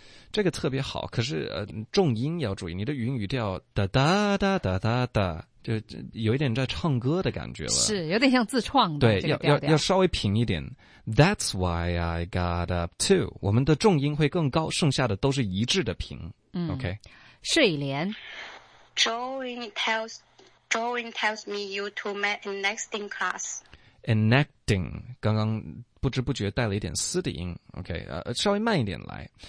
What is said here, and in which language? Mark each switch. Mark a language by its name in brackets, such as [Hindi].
[Chinese] 这个特别好可是重音要注意你的语调哒哒哒哒哒哒就有一点在唱歌的感觉了。是有点像自创的。对、这个、要稍微平一点。 [English] That's why I got up too. [Chinese] 我们的重音会更高剩下的都是一致的平。 [English] OK。 [Chinese] 睡莲。 [English] Joey tells me you two met in next in class. [Chinese] Enacting, 刚刚。不知不觉带了一点嘶的音 ,OK, 稍微慢一点来。